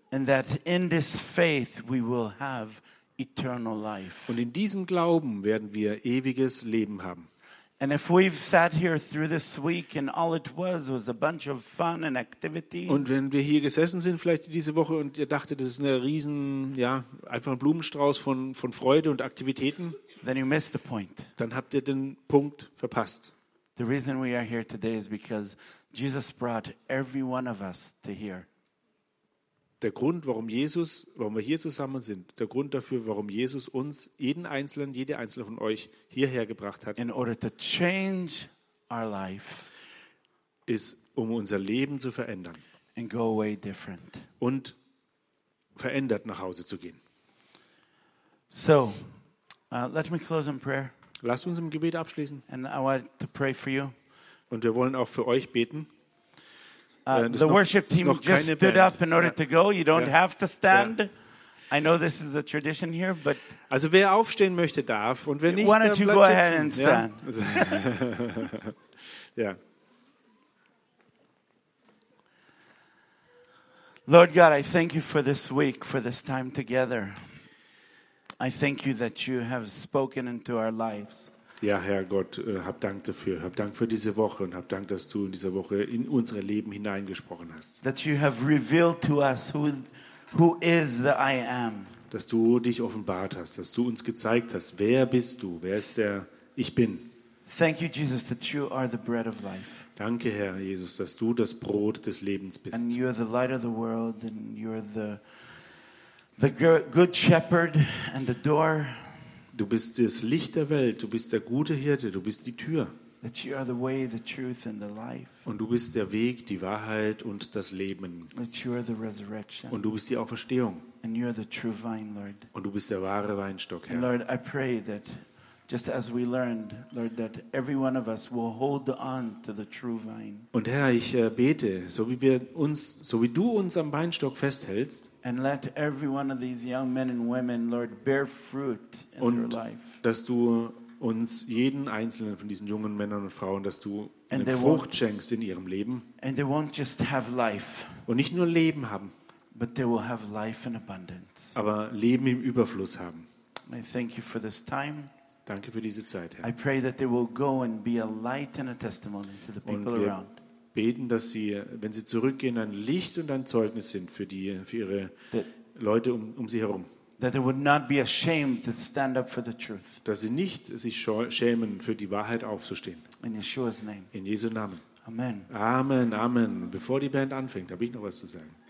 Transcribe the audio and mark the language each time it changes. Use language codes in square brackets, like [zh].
[en] And that in this faith we will have eternal life. [de] Und in diesem Glauben werden wir ewiges Leben haben. [en] And if we've sat here through this week and all it was a bunch of fun and activities. [de] Und wenn wir hier gesessen sind vielleicht diese Woche und ihr dachtet, das ist eine riesen, ja, einfach ein Blumenstrauß von Freude und Aktivitäten. [en] Then you missed the point. [de] Dann habt ihr den Punkt verpasst. [en] The reason we are here today is because Jesus brought every one of us to here. [de] Der Grund, warum wir hier zusammen sind, der Grund dafür, warum Jesus uns, jeden Einzelnen, jede Einzelne von euch, hierher gebracht hat, [en] in order to change our life, [de] ist, um unser Leben zu verändern [en] and go away different. [de] Und verändert nach Hause zu gehen. [en] So, let me close in prayer. [de] Lasst uns im Gebet abschließen. [en] And I want to pray for you. [de] Und wir wollen auch für euch beten. [en] The worship team just stood up in order to go. You don't have to stand. I know this is a tradition here, but [de] also wer aufstehen möchte darf und wer nicht, [en] why don't you go ahead and stand? Yeah. Lord God, I thank you for this week, for this time together. I thank you that you have spoken into our lives. [de] Ja, Herr Gott, hab Dank dafür. Hab Dank für diese Woche und hab Dank, dass du in dieser Woche in unser Leben hineingesprochen hast. [en] That you have revealed to us who is the I am. [de] Dass du dich offenbart hast, dass du uns gezeigt hast, wer bist du, wer ist der Ich Bin. [en] Thank you, Jesus, that you are the bread of life. [de] Danke, Herr Jesus, dass du das Brot des Lebens bist. [en] And you are the light of the world and you are the good shepherd and the door. [de] Du bist das Licht der Welt, du bist der gute Hirte, du bist die Tür. [en] That you are the way, the truth and the life. [de] Und du bist der Weg, die Wahrheit und das Leben. [en] That you are the resurrection. [de] Und du bist die Auferstehung. [en] And you are the true vine, Lord. [de] Und du bist der wahre Weinstock, Herr. [en] And Lord, I pray that just as we learned, Lord, that every one of us will hold on to the true vine. [de] Und Herr, ich bete, so wie du uns am Weinstock festhältst. [en] And let every one of these young men and women, Lord, bear fruit in their life. [de] Und dass du uns jeden einzelnen von diesen jungen Männern und Frauen, dass du eine Frucht schenkst in ihrem Leben. [en] And they won't just have life, [de] und nicht nur Leben haben, [en] but they will have life in abundance. [de] Aber Leben im Überfluss haben. [en] I thank you for this time. [de] Danke für diese Zeit, Herr. [en] I pray that they will go and be a light and a testimony to the people around. [de] Beten, dass sie, wenn sie zurückgehen, ein Licht und ein Zeugnis sind für ihre Leute um sie herum. [en] That they would not be ashamed to stand up for the truth. [de] Dass sie nicht sich schämen, für die Wahrheit aufzustehen. [en] In Yeshua's name. [de] In Jesu Namen. [en] Amen. Amen, amen. [de] Bevor die Band anfängt, habe ich noch was zu sagen.